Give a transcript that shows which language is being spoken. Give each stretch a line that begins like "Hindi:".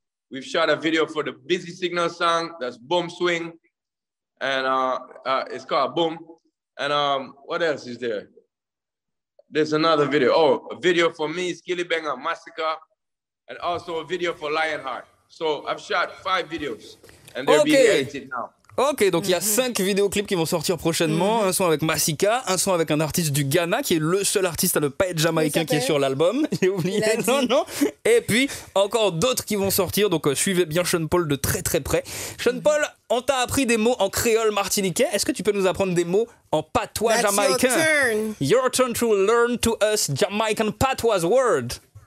English: We've shot a video for the Busy Signal song that's Boom Swing. And it's called Boom. And what else is there? There's another video. Oh, a video for me, Skilly Banger Massacre. And also a video for Lionheart. So I've shot 5 videos and they're being edited now.
French: Ok, donc il y a 5 vidéoclips qui vont sortir prochainement, un son avec Massica, un son avec un artiste du Ghana qui est le seul artiste à ne pas être jamaïcain qui est sur l'album, j'ai oublié, non, et puis encore d'autres qui vont sortir, donc suivez bien Sean Paul de très très près. Sean Paul, on t'a appris des mots en créole martiniquais, est-ce que tu peux nous apprendre des mots en patois jamaïcain?
English: That's your turn. Your turn to learn to us Jamaican patois word.